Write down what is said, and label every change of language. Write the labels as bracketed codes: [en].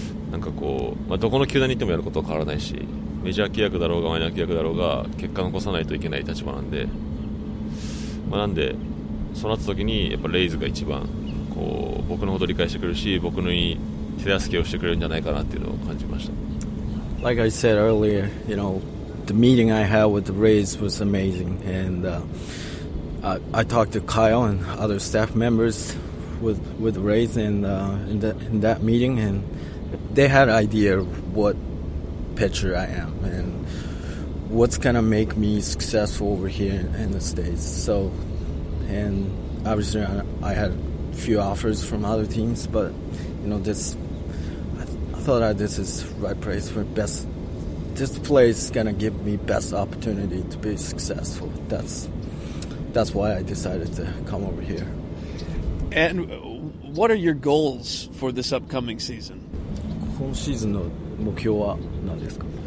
[ja] なんかこう、まあ、どこの球団に行ってもやることは変わらないし、メジャー契約だろうがマイナー契約だろうが結果残さないといけない立場なんで、まあ、なんでそうなった時にやっぱレイズが一番こう僕のことを理解してくれるし、僕のいい手助けをしてくれるんじゃないかなっていうのを感じました。 [en] Like I said earlier, you know, the meeting I had with the Rays was amazing. And I talked to Kyle and other staff members with the Rays in that meeting. And they had an idea of what pitcher I am and what's going to make me successful over here in the States. So, and obviously I had a few offers from other teams, but, you know, this... I thought that this is right place for best. This place is gonna give me best opportunity to be successful. That's why I decided to come over here. And what are your goals for this upcoming season? [ja] 今シーズンの目標は何ですか？